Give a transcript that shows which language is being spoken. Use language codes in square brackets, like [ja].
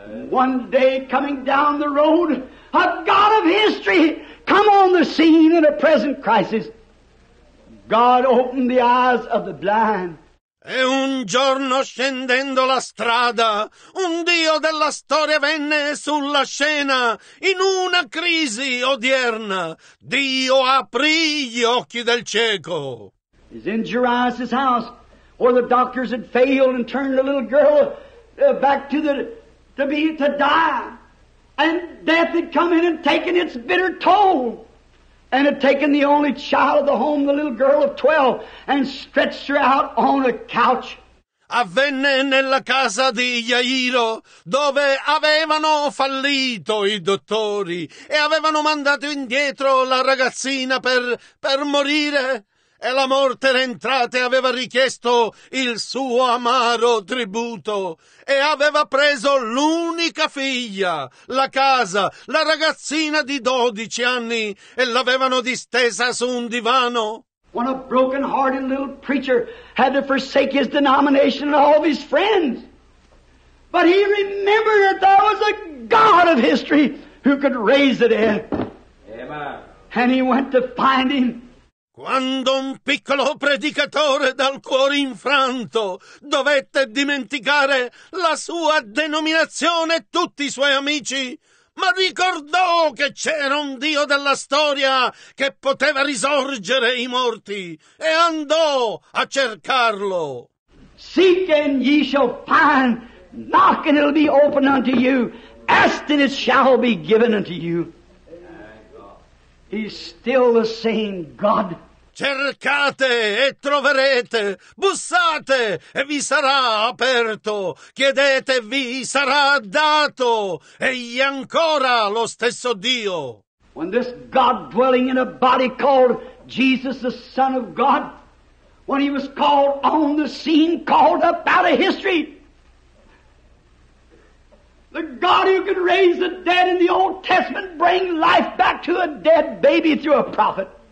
[en] One day, coming down the road, a God of history come on the scene in a present crisis. God opened the eyes of the blind. [it] E un giorno, scendendo la strada, un Dio della storia venne sulla scena in una crisi odierna. Dio aprì gli occhi del cieco. [en] He's in Jairus' house, where the doctors had failed and turned the little girl back to the... to die, and death had come in and taken its bitter toll. and had taken the only child of the home, the little girl of 12, and stretched her out on a couch. [it] Avvenne nella casa di Jairo, dove avevano fallito i dottori e avevano mandato indietro la ragazzina per morire. E la morte era entrata e aveva richiesto il suo amaro tributo e aveva preso l'unica figlia, la casa, la ragazzina di 12 anni e l'avevano distesa su un divano. [en] When a broken-hearted little preacher had to forsake his denomination and all of his friends. But he remembered that there was a God of history who could raise the dead. Amen. And he went to find him. [it] Quando un piccolo predicatore dal cuore infranto dovette dimenticare la sua denominazione e tutti i suoi amici, ma ricordò che c'era un Dio della storia che poteva risorgere i morti e andò a cercarlo. [en] Seek and ye shall find, knock and it'll be opened unto you, ask and it shall be given unto you. He's still the same God. [it] Cercate e troverete, bussate e vi sarà aperto, chiedete vi sarà dato, egli è ancora lo stesso Dio. [en] When this God dwelling in a body called Jesus, the Son of God, when he was called on the scene, called up out of history, the God who could raise the dead in the Old Testament, bring life back to a dead baby through a prophet.